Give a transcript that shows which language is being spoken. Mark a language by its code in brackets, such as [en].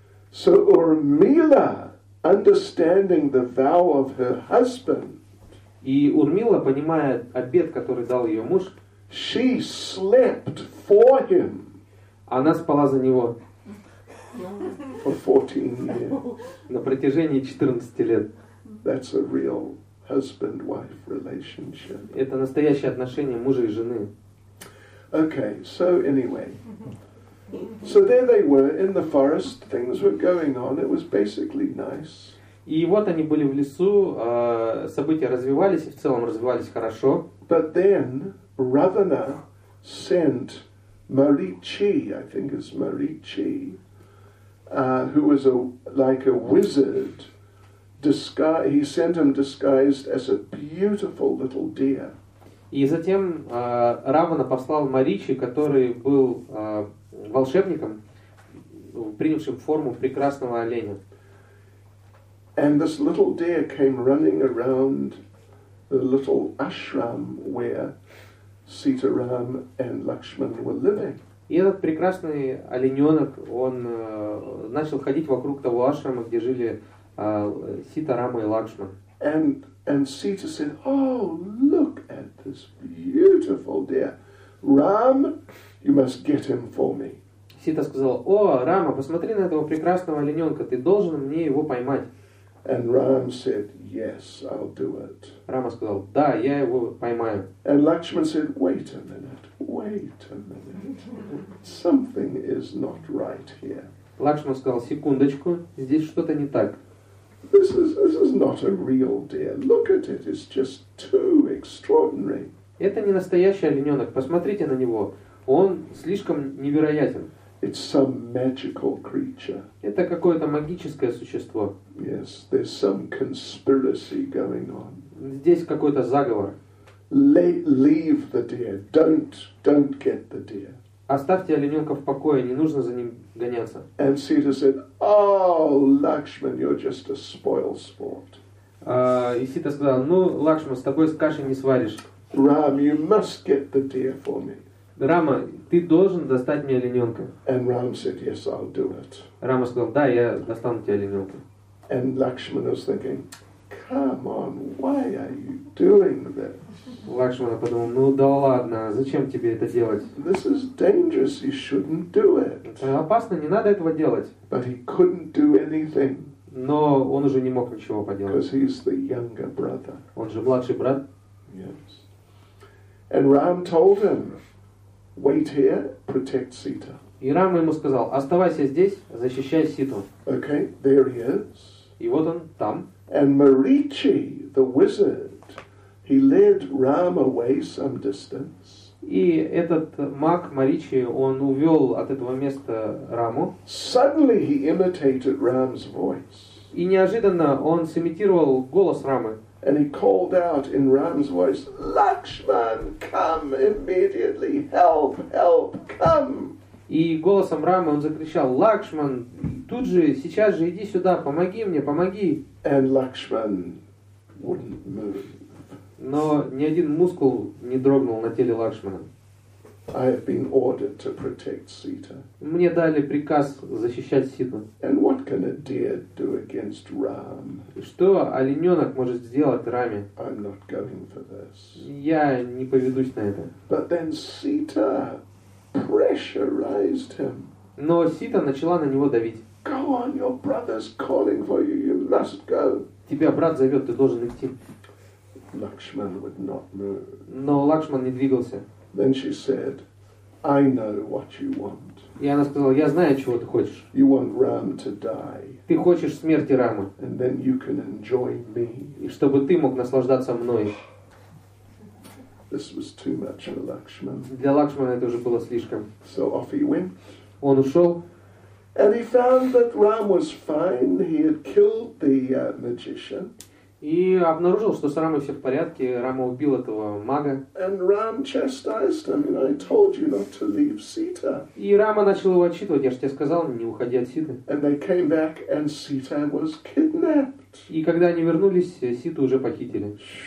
[en] So Урмила, understanding the vow of her husband, [ru] и Урмила, понимая обет, который дал ее муж, [en] she slept for him. [ru] Она спала за него. [en] For 14 years. [ru] На протяжении 14 лет. [en] That's a real husband-wife relationship. [ru] Это настоящее отношение мужа и жены. [en] Okay, so anyway. So there they were in the forest. Things were going on. It was basically nice. [ru] И вот они были в лесу, события развивались, и в целом развивались хорошо. [en] But then Ravana sent Marichi, I think it's Marichi, who was like a wizard, he sent him disguised as a beautiful little deer. [ru] И затем Равана послал Маричи, который был волшебником, принявшим форму прекрасного оленя. [en] And this little deer came running around the little ashram where Sita Ram and Lakshman were living. [ru] И этот прекрасный олененок, он начал ходить вокруг того ашрама, где жили Сита Рама и Лакшман. [en] And Sita said, "Oh, look at this beautiful deer. Ram, You must get him for me. [ru] Сита сказала: «О, Рама, посмотри на этого прекрасного олененка, ты должен мне его поймать». [en] And Ram said, yes, I'll do it. [ru] Рама сказал: «Да, я его поймаю». [en] And Lakshman said, wait a minute, wait a minute. Something is not right here. [ru] Лакшман сказал: «Секундочку, здесь что-то не так». [en] This is not a real deer. Look at it, it's just too extraordinary. [ru] Это не настоящий олененок, посмотрите на него. Он слишком невероятен. [en] It's some magical creature. [ru] Это какое-то магическое существо. [en] Yes, there's some conspiracy going on. [ru] Здесь какой-то заговор. [en] Leave the deer. Don't get the deer. [ru] Оставьте олененка в покое, не нужно за ним гоняться. [en] And Sita said, "Oh, Lakshman, you're just a spoil sport." [ru] И Сита сказала: "Ну, Лакшман, с тобой с кашей не сваришь." [en] Ram, you must get the deer for me. [ru] Рама, ты должен достать мне олененка. [en] And Ram said, yes, I'll do it. [ru] Рама сказал: да, я достану тебе олененка. [en] And Lakshman was thinking, come on, why are you doing this? [ru] Лакшмана подумал: ну да ладно, зачем тебе это делать? [en] This is dangerous, you shouldn't do it. [ru] Это опасно, не надо этого делать. [en] But he couldn't do anything. [ru] Но он уже не мог ничего поделать. [en] Because he's the younger brother. [ru] Он же младший брат. [en] Yes. And Ram told him, wait here, protect Sita. [ru] И Рама ему сказал: оставайся здесь, защищай Ситу. [en] Okay, there he is. [ru] И вот он там. [en] And Marichi, the wizard, he led Ram away some distance. [ru] И этот маг Маричи, он увел от этого места Раму. [en] Suddenly he imitated Ram's voice. [ru] И неожиданно он сымитировал голос Рамы. [en] And he called out in Ram's voice, Lakshman, come immediately, help, help, come. [ru] И голосом Рамы он закричал: Лакшман, тут же, сейчас же иди сюда, помоги мне, помоги. [en] And Lakshman wouldn't move. [ru] Но ни один мускул не дрогнул на теле Лакшмана. [en] I have been ordered to protect Sita. [ru] Мне дали приказ защищать Ситу. [en] And what can a deer do against Ram? [ru] Что олененок может сделать Раме? [en] I'm not going for this. [ru] Я не поведусь на это. [en] But then Sita pressurized him. [ru] Но Сита начала на него давить. [en] Go on, your brother's calling for you. You must go. [ru] Тебя брат зовет, ты должен идти. [en] Lakshman would not move. [ru] Но Лакшман не двигался. [en] Then she said, I know what you want. [ru] И она сказала: я знаю, чего ты хочешь. [en] You want Ram to die. [ru] Ты хочешь смерти Рамы. [en] And then you can enjoy me. [ru] И чтобы ты мог наслаждаться мной. [en] This was too much for Lakshman. [ru] Для Лакшмана это уже было слишком. [en] So off he went. [ru] Он ушел. [en] And he found that Ram was fine. He had killed the magician. [ru] И обнаружил, что с Рамой все в порядке. Рама убил этого мага. [en] And Ram chastised him, and I told you not to leave Sita. [ru] И Рама начал его отчитывать: я же тебе сказал, не уходи от Ситы. [en] And they came back, and Sita was kidnapped. [ru] И когда они вернулись, Ситу уже похитили.